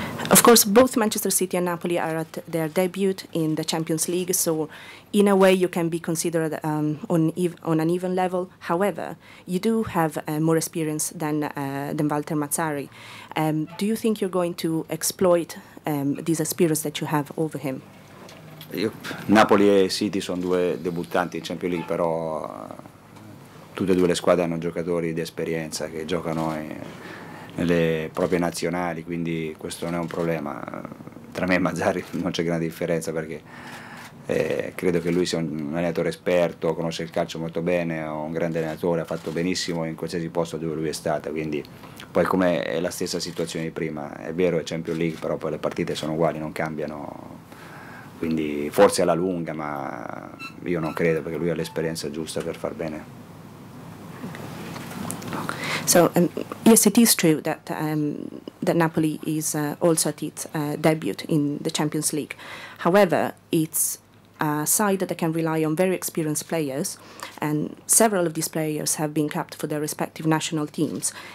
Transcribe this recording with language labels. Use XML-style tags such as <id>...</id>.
<en>Of course, both Manchester City and Napoli are at their debut in the Champions League, so in a way you can be considered on an even level. However, you do have more experience than Walter Mazzarri. Do you think you're going to exploit this experience that you have over him?</en> <it>Napoli e City sono due debuttanti in Champions League, però tutte e due le squadre hanno giocatori di esperienza che giocano nelle proprie nazionali, quindi questo non è un problema. Tra me e Mazzarri non c'è grande differenza, perché credo che lui sia un allenatore esperto, conosce il calcio molto bene, è un grande allenatore, ha fatto benissimo in qualsiasi posto dove lui è stato. Quindi poi, come è la stessa situazione di prima, è vero è Champions League, però poi le partite sono uguali, non cambiano, quindi forse alla lunga, ma io non credo, perché lui ha l'esperienza giusta per far bene.</it> <en>So yes, it is true that that Napoli is also at its debut in the Champions League. However, it's a side that can rely on very experienced players, and several of these players have been capped for their respective national teams.</en>